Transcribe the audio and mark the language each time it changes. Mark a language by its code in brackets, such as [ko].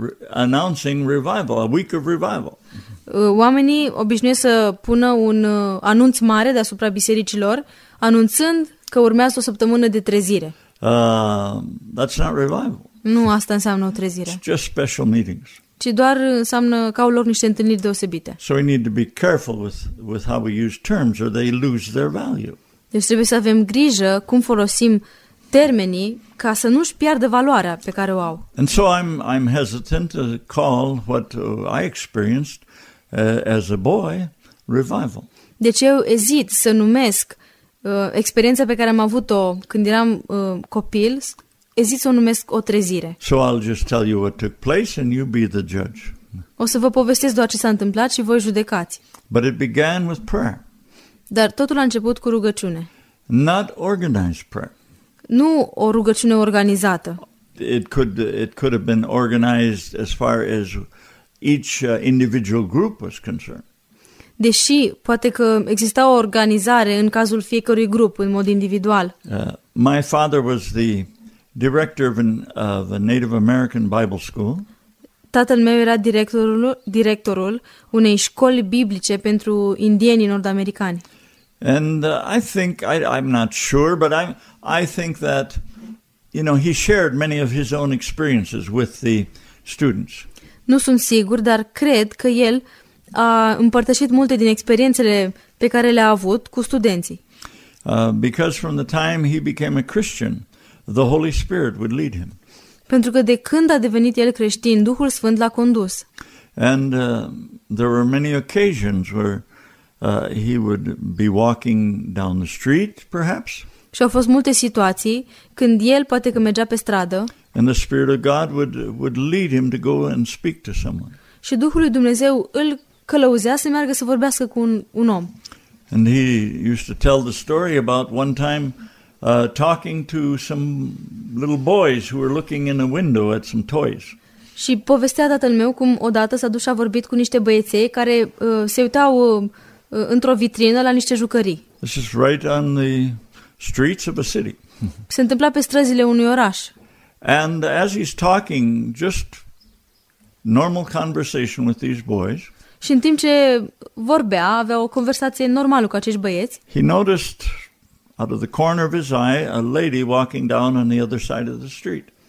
[en] Announcing revival, a week of revival. [ro] Oamenii obișnuiesc să pună un anunț mare deasupra bisericilor, anunțând că urmează o săptămână de trezire. [en] That's not revival. [ro] Nu, asta înseamnă o trezire. [en] It's just special meetings. [ro] Ci doar înseamnă că au loc niște întâlniri deosebite. [en] So we need to be careful with how we use terms or they lose their value. [ro] Deci trebuie să avem grijă cum folosim termenii ca să nu-și piardă valoarea pe care o au. [en] And so I'm hesitant to call what I experienced as a boy revival. [ro] Deci eu ezit să numesc experiența pe care am avut-o când eram copil, ezit să o numesc o trezire. [en] So I'll just tell you what took place and you be the judge. [ro] O să vă povestesc doar ce s-a întâmplat și voi judecați. [en] But it began with prayer. [ro] Dar totul a început cu rugăciune. [en] Not organized prayer. [ro] Nu o rugăciune organizată. [en] It could have been organized as far as each individual group was concerned. [ro] Deși poate că exista o organizare în cazul fiecărui grup în mod individual. [en] My father was the director of a Native American Bible school. [ro] Tatăl meu era directorul unei școli biblice pentru indienii nord-americani. [en] And I think I'm not sure, but I think that, you know, he shared many of his own experiences with the students. [ro] Nu sunt sigur, dar cred că el a împărtășit multe din experiențele pe care le-a avut cu studenții. [en] Because from the time he became a Christian, the Holy Spirit would lead him. [ro] Pentru că de când a devenit el creștin, Duhul Sfânt l-a condus. [en] And there were many occasions where he would be walking down the street, perhaps. [ro] Și au fost multe situații când el poate că mergea pe stradă. [en] And the Spirit of God would lead him to go and speak to someone. [ro] Și Duhul lui Dumnezeu îl călăuzea să meargă să vorbească cu un om. [en] And he used to tell the story about one time talking to some little boys who were looking in a window at some toys. [ro] Și povestea tatăl meu cum odată s-a dus și a vorbit cu niște băieței care se uitau într-o vitrină la niște jucării. [en] This is right on the streets of a city. [ro] Se întâmpla pe străzile unui oraș. [en] And as he's talking, just normal conversation with these boys. [ro] Și în timp ce vorbea, avea o conversație normală cu acești băieți. [en] He noticed out of the corner of his eye a lady walking down on the other side of the street.